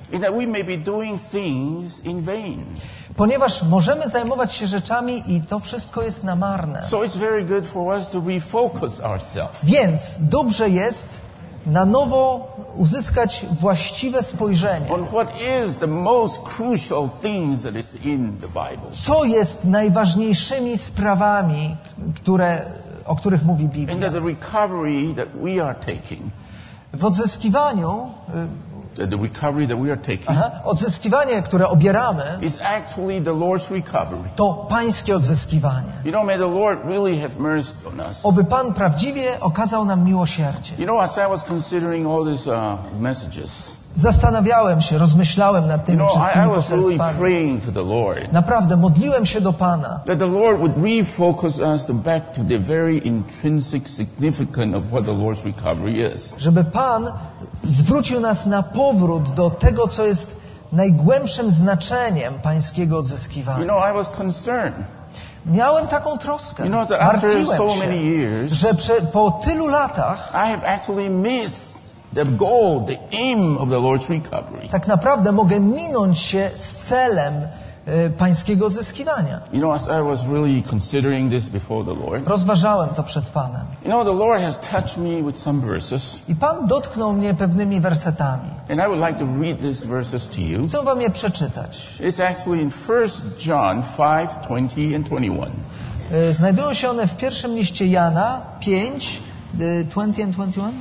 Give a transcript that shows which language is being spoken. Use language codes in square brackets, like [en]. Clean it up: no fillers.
[en] And that we may be doing things in vain. [pl] Ponieważ możemy zajmować się rzeczami i to wszystko jest na marne. [en] So it's very good for us to refocus ourselves. [pl] Więc dobrze jest na nowo uzyskać właściwe spojrzenie. [en] On what is the most crucial things that is in the Bible. [pl] Co jest najważniejszymi sprawami, o których mówi Biblia. [en] And that the recovery that we are taking. [pl] W odzyskiwaniu [en] the recovery that we are taking, [pl] odzyskiwanie, które obieramy, [en] is actually the Lord's recovery. [pl] To pańskie odzyskiwanie. [en] You know, may the Lord really have mercy on us. [pl] Oby Pan prawdziwie okazał nam miłosierdzie. [en] You know, as I was considering all these messages, [pl] zastanawiałem się, rozmyślałem nad tymi wszystkimi [en] I was really praying to the Lord. [pl] Naprawdę modliłem się do Pana. [en] That the Lord would refocus us to back to the very intrinsic significance of what the Lord's recovery is. [pl] Żeby Pan zwrócił nas na powrót do tego, co jest najgłębszym znaczeniem pańskiego odzyskiwania. [en] You know, I was concerned. [pl] Miałem taką troskę. [en] You know, that [pl] martwiłem [en] after [pl] się, [en] so many years, [pl] że po tylu latach [en] I have actually missed the goal, the aim of the Lord's recovery. [pl] Tak naprawdę mogę minąć się z celem pańskiego odzyskiwania. [en] You know, as I was really considering this before the Lord. [pl] Rozważałem to przed Panem. [en] You know, the Lord has touched me with some verses. [pl] I Pan dotknął mnie pewnymi wersetami. [en] And I would like to read these verses to you. [pl] Chcę wam je przeczytać. [en] It's actually in 1 John 5, 20 and 21. [pl] Znajdują się one w pierwszym liście Jana 5, 20 and 21?